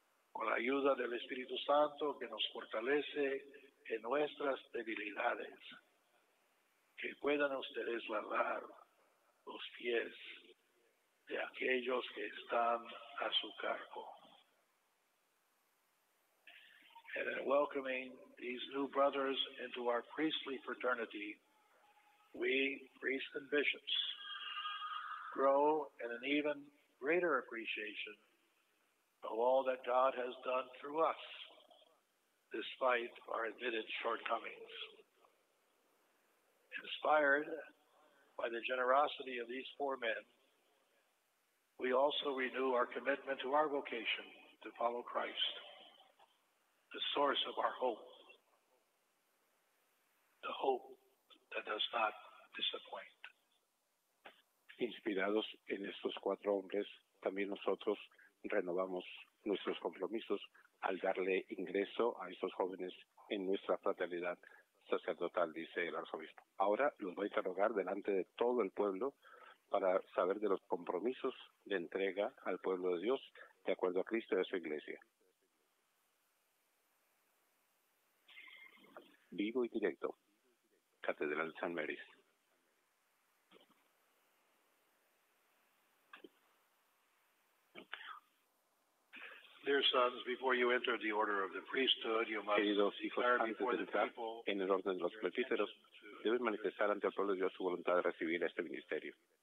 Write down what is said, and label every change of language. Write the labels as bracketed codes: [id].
[es] Con la ayuda del Espíritu Santo que nos fortalece en nuestras debilidades, que puedan ustedes lavar los pies de aquellos que están a su cargo. [en] And in welcoming these new brothers into our priestly fraternity, we, priests and bishops, grow in an even greater appreciation of all that God has done through us, despite our admitted shortcomings. Inspired by the generosity of these four men, we also renew our commitment to our vocation to follow Christ, the source of our hope, the hope that does not disappoint. [es] Inspirados en estos cuatro hombres, también nosotros renovamos nuestros compromisos al darle ingreso a estos jóvenes en nuestra fraternidad sacerdotal, dice el arzobispo. Ahora los voy a interrogar delante de todo el pueblo para saber de los compromisos de entrega al pueblo de Dios de acuerdo a Cristo y a su iglesia. Vivo y directo, Catedral de San Mary's. [en] Dear sons, before you enter the order of the priesthood, you must [es] queridos hijos, antes de entrar en el orden de los presbíteros, debes manifestar ante el pueblo de Dios su voluntad de recibir este ministerio.